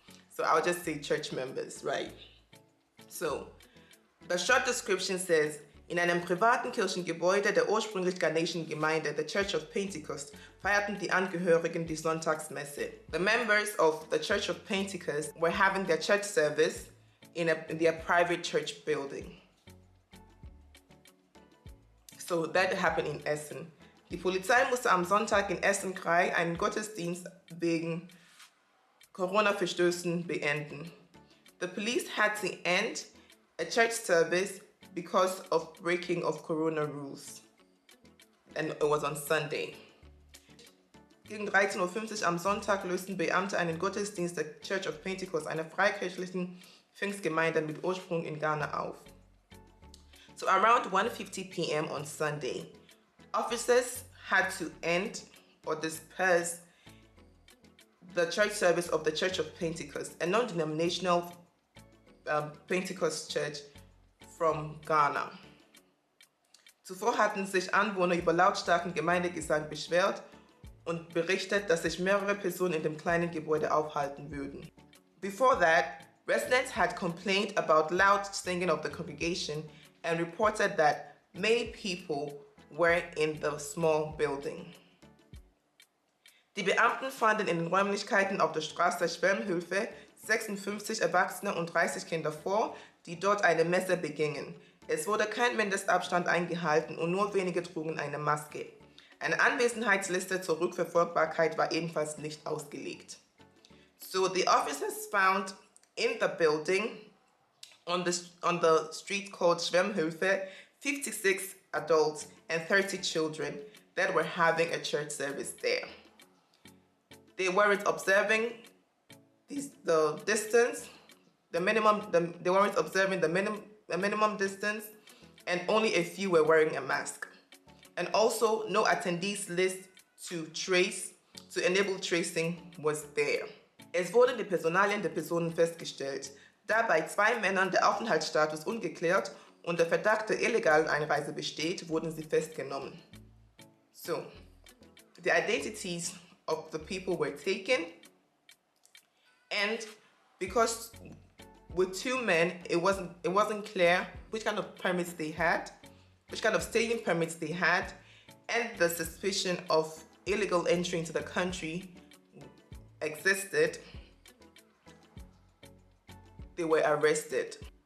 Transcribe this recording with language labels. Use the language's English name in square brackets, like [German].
[English] So I'll just say church members, right? So the short description says, [German] in einem privaten Kirchengebäude der ursprünglich Ghanaischen Gemeinde, the Church of Pentecost, feierten die Angehörigen die Sonntagsmesse. [English] The members of the Church of Pentecost were having their church service in their private church building. So that happened in Essen. [German] Die Polizei musste am Sonntag in Essen-Krai einen Gottesdienst wegen Corona-Verstößen beenden. [English] the police had to end a church service because of breaking of corona rules. And it was on Sunday. [German] Gegen 13:50 am Sonntag lösten Beamte einen Gottesdienst der Church of Pentecost, einer freikirchlichen Pfingstgemeinde mit Ursprung in Ghana, auf. [English] So around 1:50 p.m. on Sunday, officers had to end or disperse the church service of the Church of Pentecost, a non-denominational Pentecost church from Ghana. [German] Zuvor hatten sich Anwohner über lautstarken Gemeindegesang beschwert und berichtet, dass sich mehrere Personen in dem kleinen Gebäude aufhalten würden. [English] Before that, residents had complained about loud singing of the congregation and reported that many people were in the small building. [German] Die Beamten fanden in den Räumlichkeiten auf der Straße der Schwemmhilfe 56 Erwachsene und 30 Kinder vor, die dort eine Messe begingen. Es wurde kein Mindestabstand eingehalten und nur wenige trugen eine Maske. Eine Anwesenheitsliste zur Rückverfolgbarkeit war ebenfalls nicht ausgelegt. [English] So the officers found in the building on the street called Schwemmhilfe 56 adults and 30 children that were having a church service there. They weren't observing the distance, the minimum distance, and only a few were wearing a mask. And also, no attendees list to enable tracing was there. [German] Es wurden die Personalien der Personen festgestellt, da bei zwei Männern der Aufenthaltsstatus ungeklärt und der Verdacht der illegalen Einreise besteht, wurden sie festgenommen. [English] So, the identities of the people were taken, and because with two men, it wasn't clear which kind of permits they had, which kind of staying permits they had, and the suspicion of illegal entry into the country existed, they were arrested.